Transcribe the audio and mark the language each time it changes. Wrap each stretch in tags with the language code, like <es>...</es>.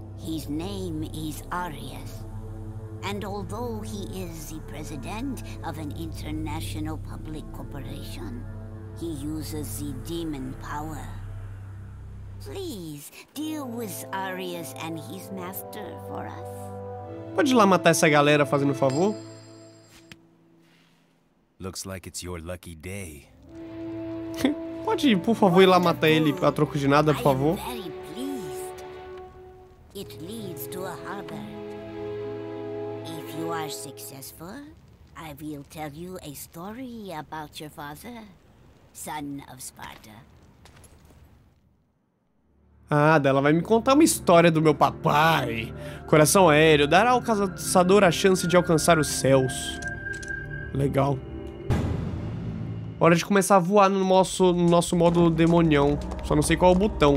<en>His name is Arius. And although he is the president of an international public corporation, he uses the demon power. Please deal with Arius and his master for us.</en> <pt>Pode ir lá matar essa galera fazendo favor?</pt> <en>Looks like it's your lucky day.</en> <pt>Pode ir, por favor, ir lá matar ele a troco de nada, por favor?</pt> <en>I am very pleased. It leads to a harbor. If you are successful, I will tell you a story about your father, son of Sparta.</en> <pt>Ah, dela vai me contar uma história do meu papai. Coração aéreo, dará ao caçador a chance de alcançar os céus. Legal. Hora de começar a voar no nosso modo demonião. Só não sei qual é o botão.</pt>